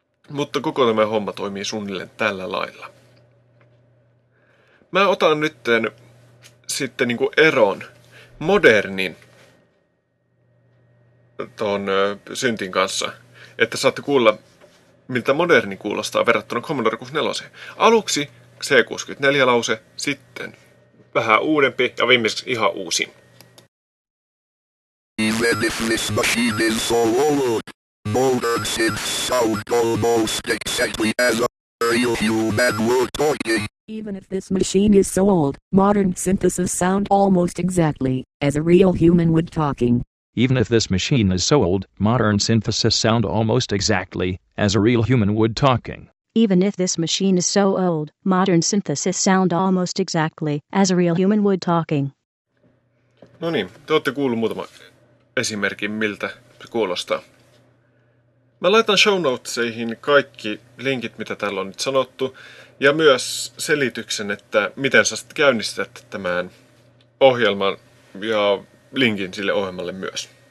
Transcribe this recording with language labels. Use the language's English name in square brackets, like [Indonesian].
[Finnish] Mutta koko tämä homma toimii suunnilleen tällä lailla. Mä otan nytten sitten niinku eron modernin ton syntin kanssa, että saatte kuulla, miltä moderni kuulostaa verrattuna Commodore 64. Aluksi C64 lause, sitten vähän uudempi ja viimeiseksi ihan uusin. [English] Even if this machine is so old, modern synths sound almost exactly as a real human were talking. Even if this machine is so old, modern synthesis sound almost exactly as a real human would talking. Even if this machine is so old, modern synthesis sound almost exactly as a real human would talking. Even if this machine is so old, modern synthesis sound almost exactly as a real human would talking. [Finnish] No niin, te olette kuullut muutama esimerkin, miltä se kuulostaa. Mä laitan show notesihin kaikki linkit, mitä täällä on nyt sanottu, ja myös selityksen, että miten sä sitten käynnistät tämän ohjelman ja linkin sille ohjelmalle myös.